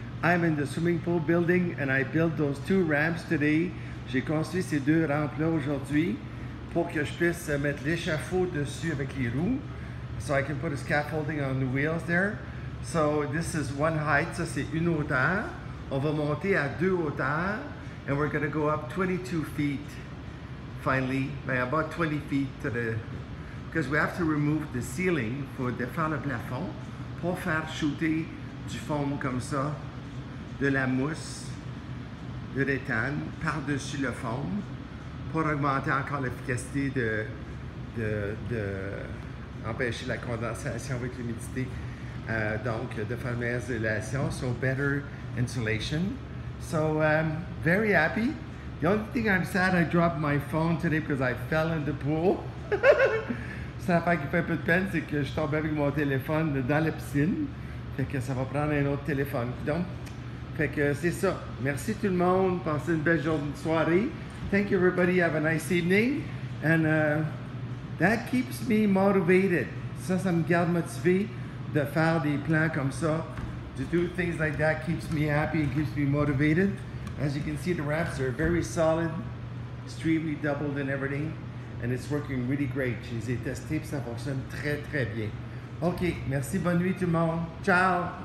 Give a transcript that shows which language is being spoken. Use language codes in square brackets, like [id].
[en] I'm in the swimming pool building and I built those two ramps today. [fr] J'ai construit ces deux rampes-là aujourd'hui pour que je puisse mettre l'échafaud dessus avec les roues. [en] So I can put a scaffolding on the wheels there. So this is one height, [fr] ça c'est une hauteur. On va monter à deux hauteurs [en] and we're going to go up 22 feet finally, about 20 feet to the... Because we have to remove the ceiling [fr] pour défaire le plafond. [en] Pour faire shooter du foam comme ça, de la mousse, de l'éthane par-dessus le foam pour augmenter encore l'efficacité de empêcher la condensation avec l'humidité, donc de faire meilleure isolation, so better insulation. So very happy. The only thing I'm sad, I dropped my phone today because I fell in the pool. [fr] C'est l'affaire qui fait un peu de peine, c'est que je tombe avec mon téléphone dans la piscine. Fait que ça va prendre un autre téléphone. Donc, fait que c'est ça. Merci tout le monde. Passez une belle journée de soirée. [en] Thank you everybody. Have a nice evening. And that keeps me motivated. [fr] Ça, ça me garde motivé de faire des plans comme ça. [en] To do things like that keeps me happy and keeps me motivated. As you can see, the rafts are very solid, extremely doubled and everything. And it's working really great. [fr] Je les ai testés et ça fonctionne très, très bien. OK, merci, bonne nuit tout le monde. Ciao!